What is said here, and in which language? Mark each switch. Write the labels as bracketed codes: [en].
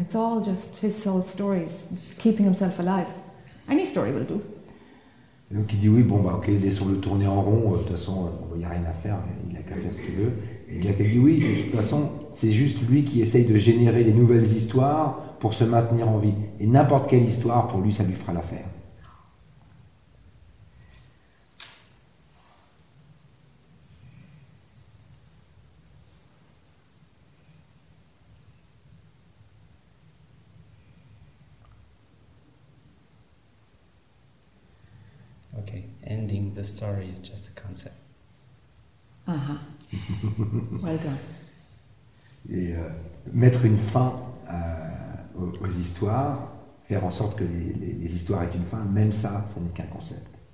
[en] It's all just his soul stories, keeping himself alive. Any story will do. [fr] Et donc il dit oui, bon bah ok, laissons-le tourner en rond, de toute façon il n'y a rien à faire, il n'a qu'à faire ce qu'il veut. Et Jack dit oui, de toute façon c'est juste lui qui essaye de générer des nouvelles histoires pour se maintenir en vie. Et n'importe quelle histoire, pour lui, ça lui fera l'affaire. [en] Okay, ending the story is just a concept. Uh-huh. Well done. [fr] Et mettre une fin aux histoires, faire en sorte que les histoires aient une fin, même ça, ce n'est qu'un concept.